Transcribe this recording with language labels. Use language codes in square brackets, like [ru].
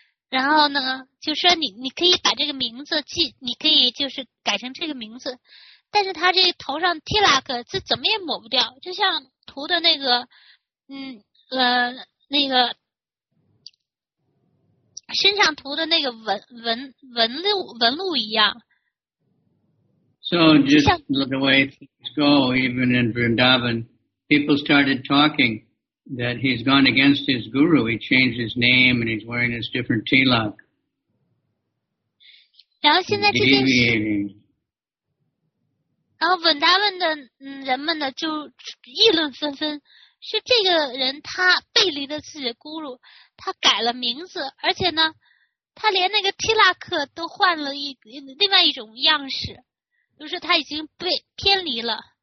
[zh] 然后呢就说你可以把这个名字记，你可以就是改成这个名字，但是他这个头上 tilak 这怎么也抹不掉，就像涂的那个那个身上涂的那个纹路一样。 [en] So just the way things go, even in Vrindavan, people started talkingthat he's gone against his guru. He changed his name and he's wearing his different tilak. [zh] 然后现在这件事，然后文达文的人们呢就议论纷纷，是这个人他背离了自己的guru，他改了名字，而且呢他连那个tilak都换了另外一种样式，就是他已经被偏离了。